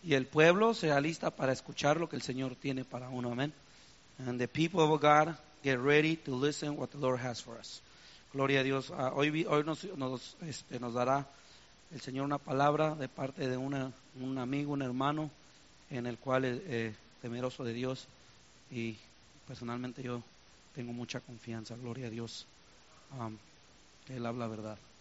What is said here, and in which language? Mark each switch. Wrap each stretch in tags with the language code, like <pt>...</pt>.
<es>Y el pueblo se alista para escuchar lo que el Señor tiene para uno. Amén.</es> <en>And the people of God get ready to listen what the Lord has for us.</en> <es>Gloria a Dios. Hoy nos dará el Señor una palabra de parte de un amigo, un hermano, en el cual temeroso de Dios. Y personalmente yo tengo mucha confianza. Gloria a Dios. Él habla verdad.</es>